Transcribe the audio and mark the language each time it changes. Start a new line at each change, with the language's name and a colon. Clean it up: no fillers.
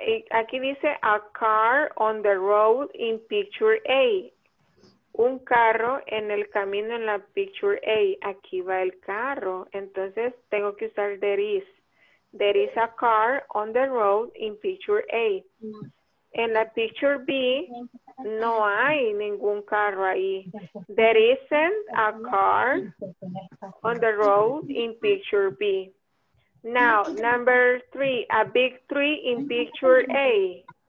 Spanish: Aquí dice
English: a car on the road in picture A.
Spanish: Un carro en el camino en la picture A. Aquí va el carro. Entonces tengo que usar there is.
English: There is a car on the road in picture A.
Spanish: En la picture B no hay ningún carro ahí.
English: There isn't a car on the road in picture B. Now, number three, a big tree in picture A.